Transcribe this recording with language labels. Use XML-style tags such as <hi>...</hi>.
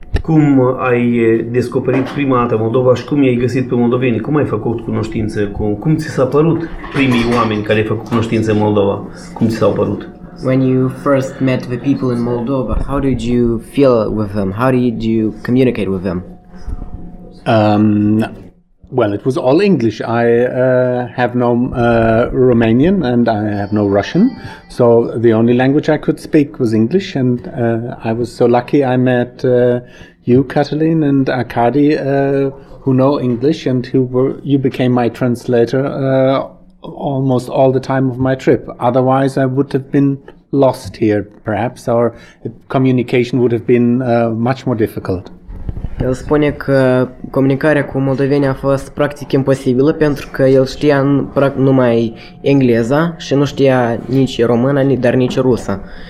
<ro>Cum ai descoperit prima dată Moldova și cum i-ai găsit pe moldovenii? Cum ai făcut cunoștință? Cum ți s-a părut primii oameni care ai făcut cunoștință în Moldova? Cum ți s-au părut?</ro> <en>When you first met the people in Moldova, how did you feel with them? How did you communicate with them? Well, it was all English. I have no Romanian and I have no Russian. So the only language I could speak was English. And I was so lucky I met you, Katalin, and Arkady, who know English and who were, you became my translator almost all the time of my trip. Otherwise, I would have been lost here, perhaps, or communication would have been much more difficult.</en> <ro>El spune că comunicarea cu moldovenii a fost practic imposibilă pentru că el știa numai engleza și nu știa nici română, dar nici rusă.</ro>